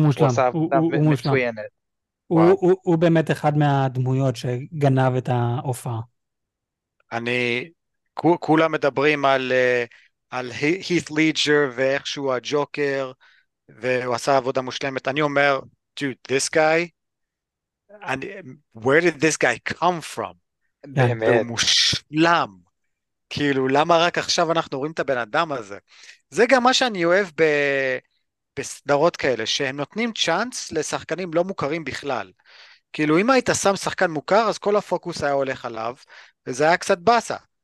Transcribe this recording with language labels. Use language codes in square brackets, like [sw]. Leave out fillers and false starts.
[he] מושלם, עשה עבודה הוא מושלם. מצוינת וואו הוא באמת אחד מהדמויות שגנב את ההופעה. אני, כולם מדברים על הית' לידג'ר ואיך שהוא הג'וקר, והוא עשה עבודה מושלמת. אני אומר, [en] dude, this guy, and where did this guy come from? [he] כן. והוא באמת. מושלם. כאילו, למה רק עכשיו אנחנו רואים את הבן אדם הזה? זה גם מה שאני אוהב ב... בסדרות כאלה, שהם נותנים צ'אנס לשחקנים לא מוכרים בכלל. כאילו, אם היית שם שחקן מוכר, אז כל הפוקוס היה הולך עליו, וזה היה קצת באסה.